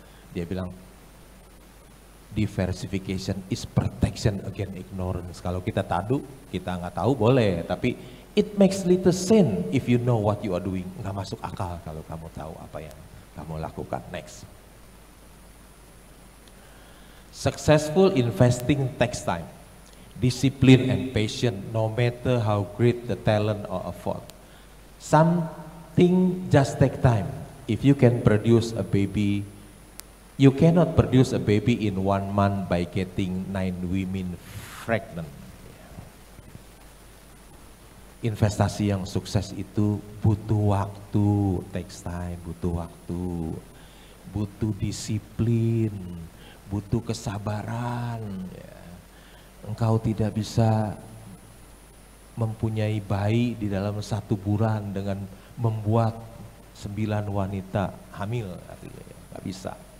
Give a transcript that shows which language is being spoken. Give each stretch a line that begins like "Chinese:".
Indonesian: Dia bilang,
English: diversification is protection against ignorance.
Indonesian: Kalau kita tadu, kita nggak tahu boleh, tapi
English: it makes little sense if you know what you are doing.
Indonesian: Nggak masuk akal kalau kamu tahu apa yang kamu lakukan.
English: Next. Successful investing takes time, discipline and patience, no matter how great the talent or effort. Something just take time. If you can produce a baby, you cannot produce a baby in 1 month by getting 9 women pregnant.
Indonesian: Investasi yang sukses itu butuh waktu,
English: takes time,
Indonesian: butuh waktu, butuh disiplin, butuh kesabaran. Engkau tidak bisa mempunyai bayi di dalam 1 bulan dengan membuat 9 wanita hamil, artinya nggak bisa.